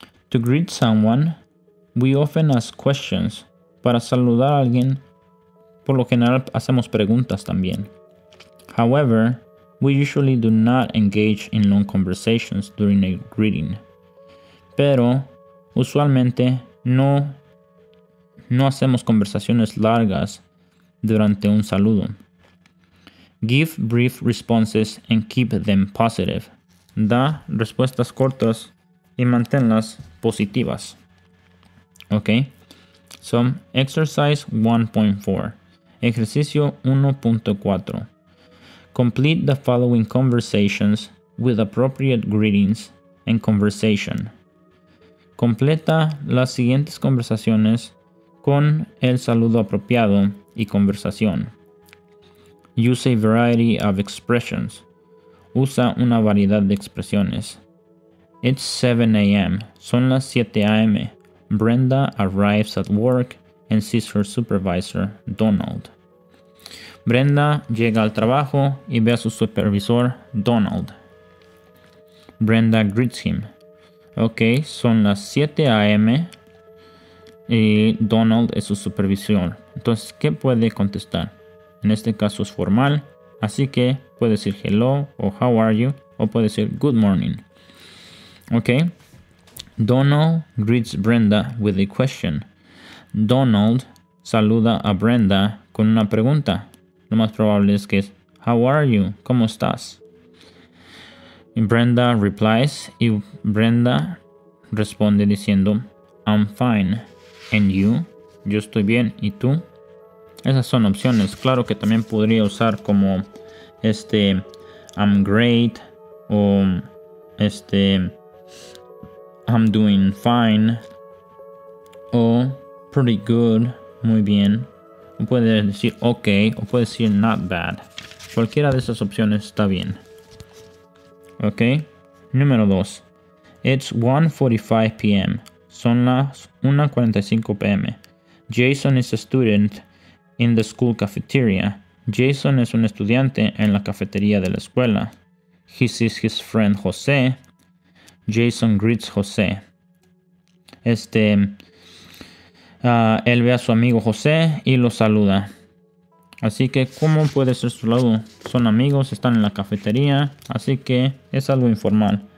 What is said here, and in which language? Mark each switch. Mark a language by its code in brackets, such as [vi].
[en] To greet someone, we often ask questions. [es] Para saludar a alguien, por lo general hacemos preguntas también. [en] However, we usually do not engage in long conversations during a greeting. [es] Pero, usualmente, no hacemos conversaciones largas durante un saludo. [en] Give brief responses and keep them positive. [es] Da respuestas cortas y manténlas positivas. [en] Okay. So, exercise 1.4. [es] Ejercicio 1.4. [en] Complete the following conversations with appropriate greetings and conversation. [es] Completa las siguientes conversaciones con el saludo apropiado y conversación. [en] Use a variety of expressions. [es] Usa una variedad de expresiones. [en] It's 7 a.m. [es] Son las 7 a.m. [en] Brenda arrives at work and sees her supervisor, Donald. [es] Brenda llega al trabajo y ve a su supervisor, Donald. [en] Brenda greets him. Okay, [es] son las 7 a.m. y Donald es su supervisor. Entonces, ¿qué puede contestar? En este caso es formal, así que puede decir [en] hello [es] o [en] how are you [es] o puede decir [en] good morning. Okay. Donald greets Brenda with a question. [es] Donald saluda a Brenda con una pregunta. Lo más probable es que es [en] how are you? [es] ¿Cómo estás? Y [en] Brenda replies [es] y Brenda responde diciendo [en] I'm fine. And you? [es] Yo estoy bien. ¿Y tú? Esas son opciones. Claro que también podría usar como [en] I'm great [es] o [en] I'm doing fine [es] o [en] pretty good, [es] muy bien. O puede decir ok o puede decir [en] not bad. [es] Cualquiera de esas opciones está bien. [en] Ok. [es] Número 2. [en] It's 1:45 p.m. [es] Son las 1:45 p.m. [en] Jason is a student in the school cafeteria. [es] Jason es un estudiante en la cafetería de la escuela. [en] He sees his friend Jose. Jason greets Jose. [es] Él ve a su amigo José y lo saluda. Así que, ¿cómo puede ser su saludo? Son amigos, están en la cafetería, así que es algo informal.